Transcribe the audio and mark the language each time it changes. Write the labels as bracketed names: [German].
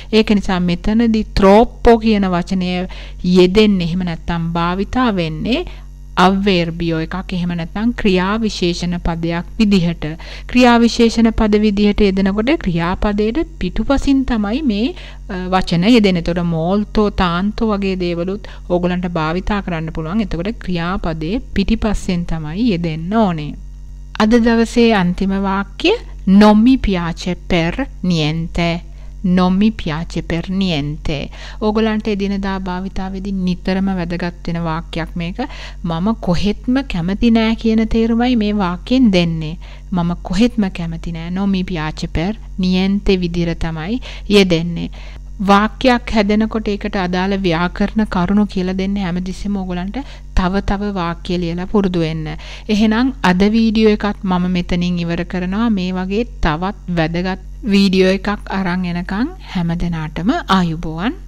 [Sinhala] ඒක නිසා මෙතනදී troppo කියන වචනය යෙදෙන්නේ එහෙම නැත්නම් භාවිතා වෙන්නේ අව්වේර්බියෝ එකක්, එහෙම නැත්නම් ක්‍රියා විශේෂණ පදයක් විදිහට. ක්‍රියා විශේෂණ පද විදිහට යෙදෙනකොට ක්‍රියාපදයේ පිටුපසින් තමයි මේ වචන යෙදෙන. එතකොට මෝල්තෝ තාන්තෝ වගේ දේවලුත් ඕගලන්ට භාවිතා කරන්න පුළුවන්. එතකොට ක්‍රියාපදයේ පිටිපස්සෙන් තමයි යෙදෙන්න ඕනේ. අද දවසේ අන්තිම වාක්‍ය [Italian] non mi piace per niente. Non mi piace per niente. [Sinhala] ඕගලන්ට එදිනදා භාවිතාවේදී නිතරම වැදගත් වෙන වාක්‍යයක් මේක. මම කොහෙත්ම කැමති නෑ කියන තේරුමයි මේ වාක්‍යෙන් දෙන්නේ. මම කොහෙත්ම කැමති නෑ. [Italian] Non mi piace per niente [Sinhala] විදිහට තමයි යෙදෙන්නේ. වාක්‍යයක් හැදෙනකොට ඒකට අදාළ ව්‍යාකරණ කරුණු කියලා දෙන්නේ හැමදෙස්සෙම ඕගලන්ට තව තව වාක්‍ය ලියලා පුරුදු වෙන්න. එහෙනම් අද වීඩියෝ එකත් මම මෙතනින් ඉවර කරනවා. මේ වගේ තවත් වැදගත් වීඩියෝ එකක් අරන් එනකන් හැමදෙනාටම ආයුබෝවන්.